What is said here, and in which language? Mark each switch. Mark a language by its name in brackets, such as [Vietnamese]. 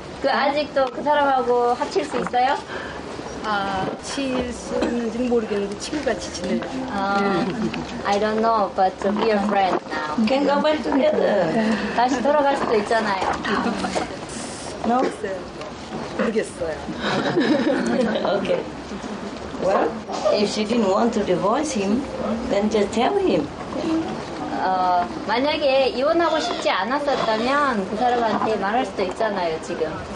[Korean] 그 아직도 그 사람하고 합칠 수 있어요? 아, 칠 수 있는지 모르겠는데 친구같이 지내요. [English] I don't know, but we are friends now. Can go back together. [Korean] 다시 돌아갈 수도 있잖아요. [English] No? [Korean] 모르겠어요. [English] Okay. Well, if she didn't want to divorce him, then just tell him. [Korean] 만약에 이혼하고 싶지 않았었다면 그 사람한테 말할 수도 있잖아요, 지금.